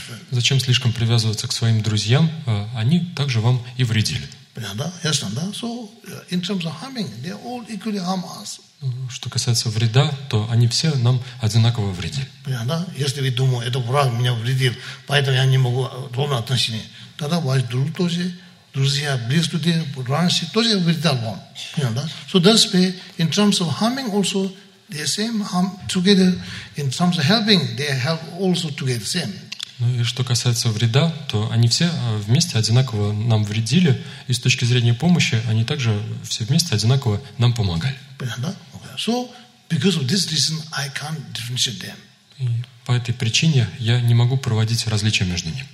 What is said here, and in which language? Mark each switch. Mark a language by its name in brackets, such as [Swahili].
[Russian] Зачем слишком привязываться к своим друзьям? Они также вам и вредили. Понятно, ясно, да? [English] So, in terms of harming, they all equally harm us. [Russian] Что касается вреда, то они все нам одинаково вредили. Понятно, если вы думаете, это враг меня вредил, поэтому я не могу ровно отношения, тогда ваш друг тоже, друзья, близкие люди, раньше тоже вредил вам. Понятно? [English] So that's why, in terms of harming also, they same harm together. In terms of helping, they help also together. Same. [Russian] Ну и что касается вреда, то они все вместе одинаково нам вредили. И с точки зрения помощи, они также все вместе одинаково нам помогали. Понятно? Okay. [English] So because of this reason, I can't differentiate them. [Russian] И по этой причине я не могу проводить различия между ними.